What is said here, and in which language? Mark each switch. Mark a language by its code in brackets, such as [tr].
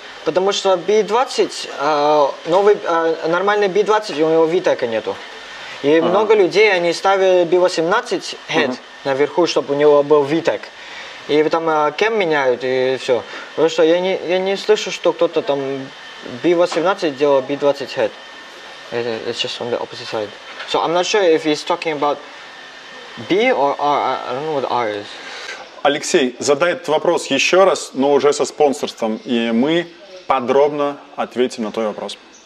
[ru] Потому что B20, нормальный B20, у него VTEC-а нету. И ага. Много людей, они ставят B18 head угу. наверху, чтобы у него был VTEC. И там кем меняют и все. Потому что я не слышу, что кто-то там B18 делал B20 head. [en] It's just on the opposite side. So I'm not sure if he's talking about B or R. I don't know what R is. [ru] Алексей, задай этот вопрос еще раз, но уже со спонсорством. И мы подробно ответим на твой вопрос.